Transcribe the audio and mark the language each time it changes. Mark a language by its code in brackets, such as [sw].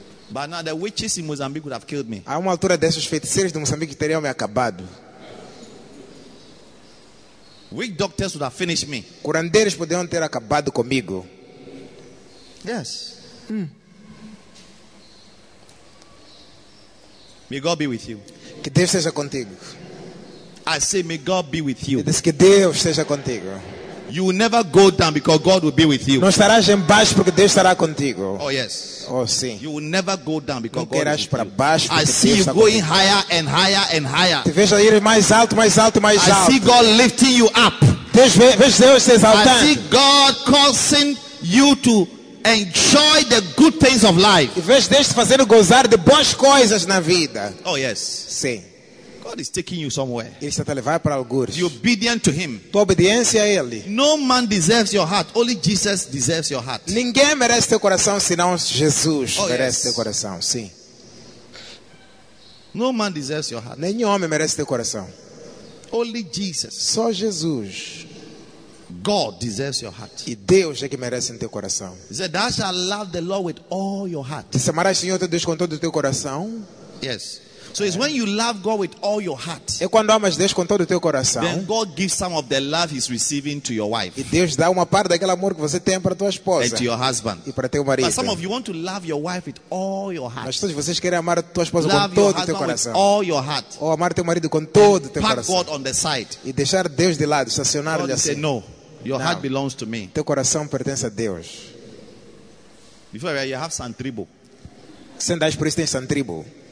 [en] But now the witches in Mozambique would have killed me. [pt] A uma altura dessas, os feiticeiros de Moçambique teriam me acabado. [en] Weak doctors would have finished me. [pt] Curandeiros poderiam ter acabado comigo. [en] Yes. May God be with you. [pt] Que Deus seja contigo. [en] I say, may God be with you. [pt] Diz que Deus seja contigo. [en] You will never go down because God will be with you. [pt] Não estarás embaixo porque Deus estará contigo. [en] Oh yes. [pt] Oh sim. [en] You will never go down because [pt] não [en] God will be with [pt] para baixo [en] you. I see you going higher and higher and higher. [pt] Te vejo ir mais alto, mais alto, mais [en] I [pt] alto. [en] I see God lifting you up. [pt] Vejo Deus te exaltando. [en] I see God causing you to enjoy the good things of life. [pt] Vejo Deus te fazendo gozar de boas coisas na vida. [en] Oh yes. [pt] Sim. [en] God is taking you somewhere. [pt] Ele está te levando para algures. [en] Be obedient to him. [pt] Tua obediência a ele. [en] No man deserves your heart. Only Jesus deserves your heart. [pt] Ninguém merece teu coração senão Jesus. Oh, merece Teu coração, sim. [en] No man deserves your heart. [pt] Nenhum homem merece teu coração. [en] Only Jesus. [pt] Só Jesus. [en] God deserves your heart. [pt] E Deus é que merece teu coração. [en] He said, thou shalt love the Lord with all your heart. [pt] Se amarás o Senhor teu Deus com todo o teu coração. [en] Yes. So it's when you love God with all your heart. [pt] É quando amas Deus com todo o teu coração. [en] Then God gives some of the love he's receiving to your wife. [pt] E Deus dá uma parte daquele amor que você tem para tua esposa. [en] And to your husband. [pt] E para teu marido. [en] But some of you want to love your wife with all your heart. [pt] Mas todos vocês querem amar tua esposa com todo o teu coração. [en] With all your heart. [pt] Ou amar teu marido com todo o teu coração. [en] Put God on the side. [pt] E deixar Deus de lado, estacionar-lhe assim. [en] No. Your heart belongs to me. [pt] Teu coração pertence a Deus. [en] Before you have some tribal. [pt] Se andas por isso tens [en] some tribal.